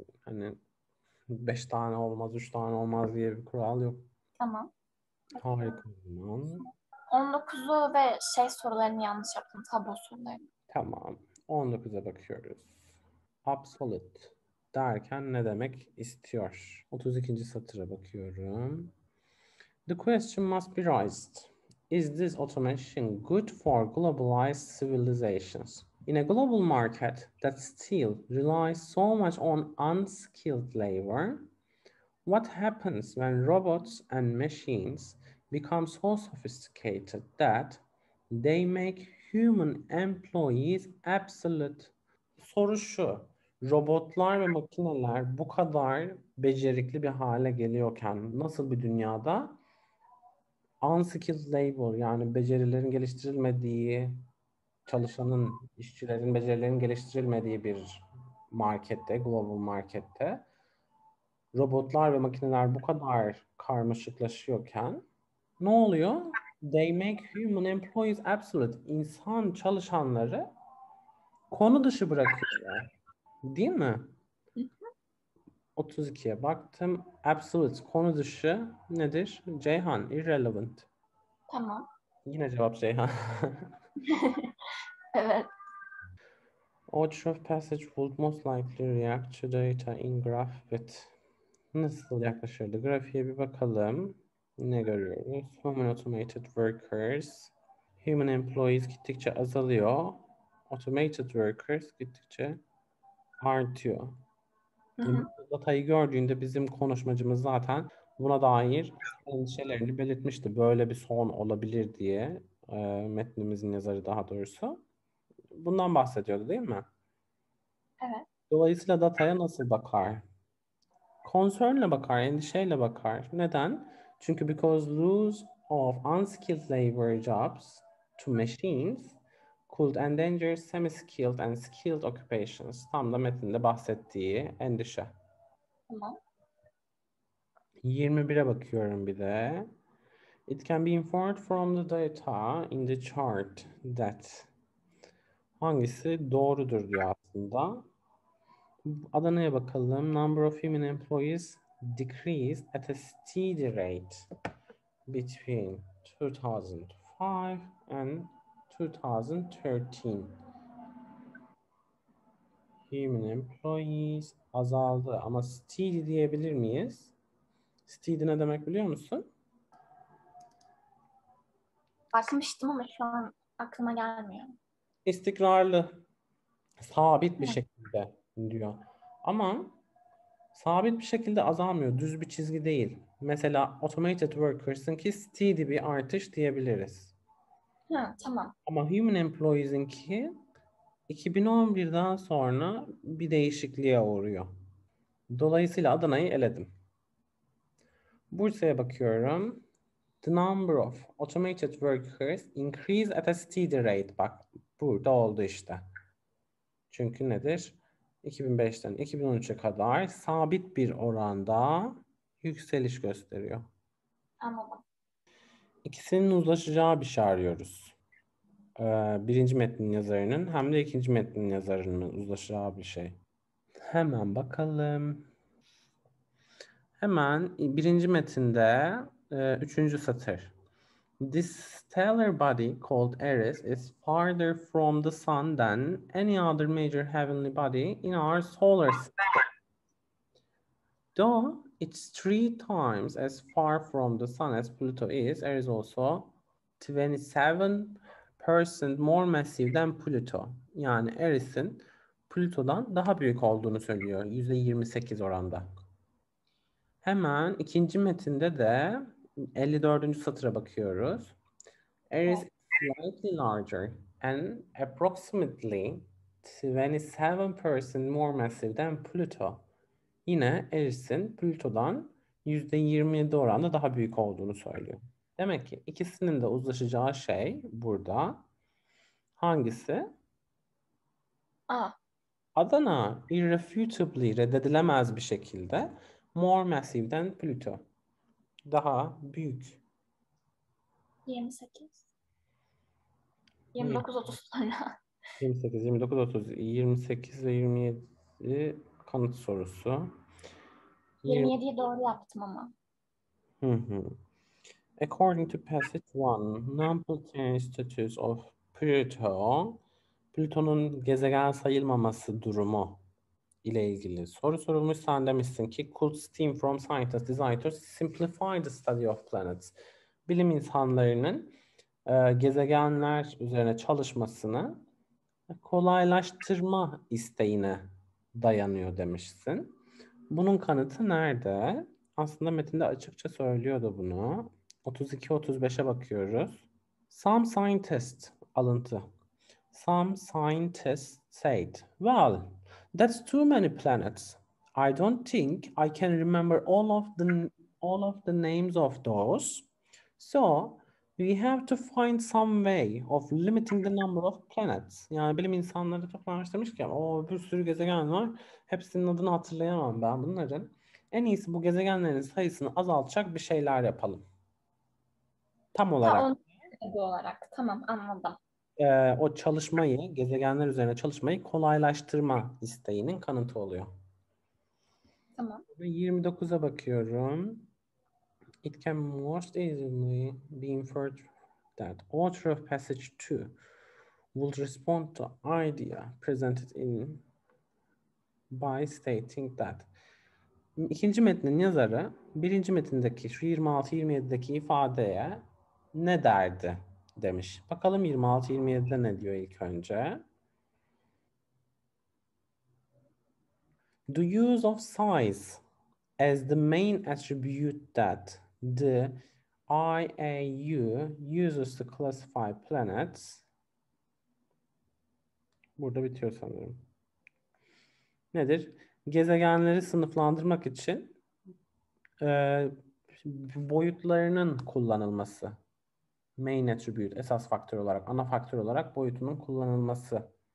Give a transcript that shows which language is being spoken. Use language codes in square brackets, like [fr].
[tr] Hani 5 tane olmaz, 3 tane olmaz diye bir kural yok. Tamam. Harika o zaman. 19'u ve şey sorularını yanlış yaptım. Tablo sorularını. Tamam. 19'a bakıyoruz. Absolute derken ne demek istiyor? 32. satıra bakıyorum. [en] The question must be raised. Is this automation good for globalized civilizations? In a global market that still relies so much on unskilled labor, what happens when robots and machines become so sophisticated that they make human employees absolute? [tr] Soru şu. Robotlar ve makineler bu kadar becerikli bir hale geliyorken nasıl bir dünyada [en] unskilled labor, [tr] yani becerilerin geliştirilmediği, çalışanın, işçilerin becerilerin geliştirilmediği bir markette, global markette robotlar ve makineler bu kadar karmaşıklaşıyorken ne oluyor? [en] They make human employees absolute. [tr] İnsan çalışanları konu dışı bırakıyorlar. Değil mi? 32'ye baktım. Absolute, konu dışı nedir? [en] Ceyhan, irrelevant. [tr] Tamam. Yine cevap Ceyhan. Evet. [en] Out of passage would most likely react to data in graph with. [tr] Nasıl yaklaşırdı? Grafiğe bir bakalım. Ne görüyoruz? [en] Human automated workers. Human employees [tr] gittikçe azalıyor. [en] Automated workers [tr] gittikçe artıyor. Datayı gördüğünde bizim konuşmacımız zaten buna dair endişelerini belirtmişti. Böyle bir son olabilir diye metnimizin yazarı daha doğrusu. Bundan bahsediyordu değil mi? Evet. Dolayısıyla dataya nasıl bakar? Concern'le bakar, endişeyle bakar. Neden? [en] Çünkü because loss of unskilled labor jobs to machines could endanger semi-skilled and skilled occupations. [tr] Tam da metinde bahsettiği endişe. Tamam. 21'e bakıyorum bir de. [en] It can be inferred from the data in the chart that. [tr] Hangisi doğrudur diyor aslında. Adana'ya bakalım. [en] Number of human employees decreased at a steady rate between 2005 and 2013. [tr] Human employees azaldı ama steady diyebilir miyiz? Steady ne demek biliyor musun? Bakmıştım ama şu an aklıma gelmiyor. İstikrarlı, sabit bir şekilde diyor. Ama sabit bir şekilde azalmıyor, düz bir çizgi değil. Mesela automated workers'ınki steady bir artış diyebiliriz. Ha, tamam. Ama human employees'inki 2011'den sonra bir değişikliğe uğruyor. Dolayısıyla Adana'yı eledim. Bursa'ya bakıyorum. [en] The number of automated workers increase at a steady rate. [tr] Bak burada oldu işte. Çünkü nedir? 2005'ten 2013'e kadar sabit bir oranda yükseliş gösteriyor. Anladım. İkisinin uzlaşacağı bir şey arıyoruz. Birinci metnin yazarının hem de ikinci metnin yazarının uzlaşacağı bir şey. Hemen bakalım. Hemen birinci metinde üçüncü satır. [en] This stellar body called Eris is farther from the sun than any other major heavenly body in our solar system. Though it's three times as far from the sun as Pluto is, Eris also 27% more massive than Pluto. [tr] Yani Eris'in Pluto'dan daha büyük olduğunu söylüyor. %28 oranda. Hemen ikinci metinde de 54. satıra bakıyoruz. [en] Eris is slightly larger and approximately 27% more massive than Pluto. [tr] Yine Eris'in Plüto'dan %27 oranda daha büyük olduğunu söylüyor. Demek ki ikisinin de uzlaşacağı şey burada. Hangisi? Aa. [en] Adana irrefutably [tr] reddedilemez bir şekilde [en] more massive than Pluto. [tr] Daha büyük. 28. Buyur. 29-30 tane. 28, 29, 30, 28 ve 27 kanıt sorusu. 20. 27'yi doğru yaptım ama. [en] According to passage 1, number 10 status of Pluto, [tr] Plüton'un gezegen sayılmaması durumu ile ilgili soru sorulmuş. Sen demişsin ki, [en] could steam from scientists desire to simplify the study of planets. [tr] Bilim insanlarının gezegenler üzerine çalışmasını kolaylaştırma isteğine dayanıyor demişsin. Bunun kanıtı nerede? Aslında metinde açıkça söylüyordu bunu. 32-35'e bakıyoruz. [en] Some scientists [tr] alıntı. [en] Some scientists said, well, that's too many planets. I don't think I can remember all of the names of those. So we have to find some way of limiting the number of planets. [tr] Yani bilim insanları çok araştırmış ki o bir sürü gezegen var. Hepsinin adını hatırlayamam ben bunların. En iyisi bu gezegenlerin sayısını azaltacak bir şeyler yapalım. Tam Ha, olarak. onu olarak. Tamam, anladım. O çalışmayı, gezegenler üzerine çalışmayı kolaylaştırma isteğinin kanıtı oluyor. Tamam. 29'a bakıyorum. [en] It can most easily be inferred that author of passage 2 would respond to idea presented in by stating that. [tr] İkinci metnin yazarı birinci metindeki şu 26-27'deki ifadeye ne derdi demiş. Bakalım 26-27'de ne diyor ilk önce. [en] The use of size as the main attribute that the IAU uses to classify planets. [tr] Burada bitiyor sanırım. Nedir? Gezegenleri sınıflandırmak için boyutlarının kullanılması. [en] Main attribute, [tr] esas faktör olarak, ana faktör olarak boyutunun kullanılması.